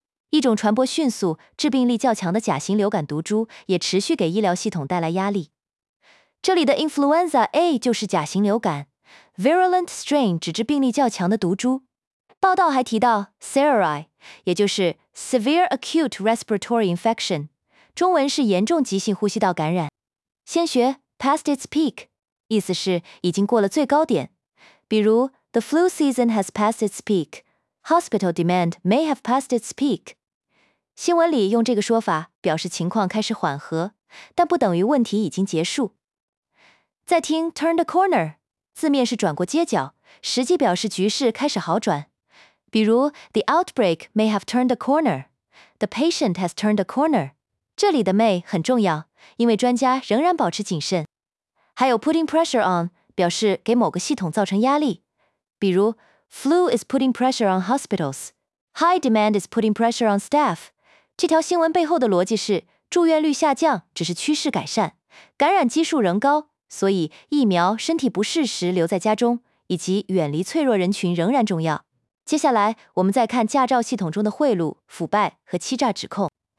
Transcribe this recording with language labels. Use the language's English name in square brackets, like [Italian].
[Chinese] 一种传播迅速、致病力较强的甲型流感毒株也持续给医疗系统带来压力。这里的 [English] influenza A [Chinese] 就是甲型流感 [English] virulent strain [Chinese] 指致病力较强的毒株。报道还提到 SARI， 也就是 Severe Acute Respiratory Infection， 中文是严重急性呼吸道感染。先学 [English] past its peak， [Chinese] 意思是已经过了最高点，比如 [English] The flu season has passed its peak. Hospital demand may have passed its peak. [Chinese] 新闻里用这个说法表示情况开始缓和，但不等于问题已经结束。再听 [English] turn the corner， [Chinese] 字面是转过街角，实际表示局势开始好转，比如 [English] The outbreak may have turned a corner. The patient has turned a corner. [Chinese] 这里的 may 很重要，因为专家仍然保持谨慎。还有 [English] putting pressure on [Chinese] 表示给某个系统造成压力，比如 [English] flu is putting pressure on hospitals， high demand is putting pressure on staff。 [Chinese] 这条新闻背后的逻辑是住院率下降只是趋势改善，感染基数仍高，所以疫苗、身体不适时留在家中以及远离脆弱人群仍然重要。接下来我们再看驾照系统中的贿赂、腐败和欺诈指控。